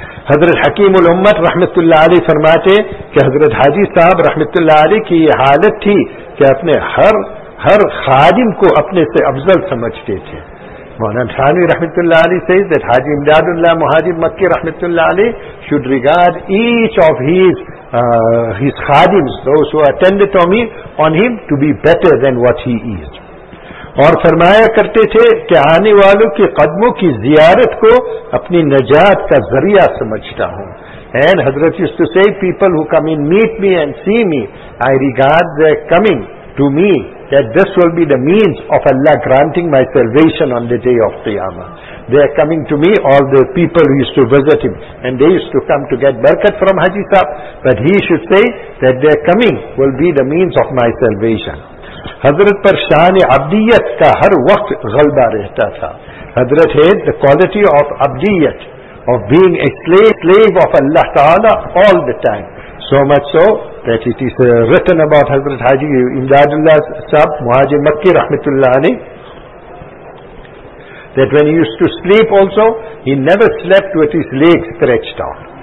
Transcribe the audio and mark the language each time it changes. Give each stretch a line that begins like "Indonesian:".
Urdu: حضرت حکیم الامت رحمت اللہ علیہ فرماتے کہ حضرت حاجی صاحب رحمت اللہ علیہ کی یہ حالت تھی کہ اپنے ہر خادم کو اپنے سے افضل سمجھتے تھے.
English: مولانا ثانی رحمت اللہ علیہ says that Haji Imdadullah Muhajir Makki رحمت اللہ علیہ should regard each of his خادمس, those who attended on him, to be better than what he is.
Urdu: اور فرمایا کرتے تھے کہ آنے والوں کے قدموں کی زیارت کو اپنی نجات کا ذریعہ سمجھتا ہوں.
English: And Hazrat used to say, people who come in meet me and see me, I regard their coming to me that this will be the means of Allah granting my salvation on the day of Qiyamah. They are coming to me, all the people who used to visit him, and they used to come to get barakat from Haji Sahab, but he should say that their coming will be the means of my salvation.
Urdu: حضرت پر شان عبدیت کا ہر وقت غلبہ رہتا تھا.
English: Hazrat had the quality of عبدیت, of being a slave of Allah Ta'ala all the time. So much so that it is written about Hazrat Haji Imdadullah Sahib Muhajir Makki رحمت اللہ علیہ that when he used to sleep also, he never slept with his legs stretched out.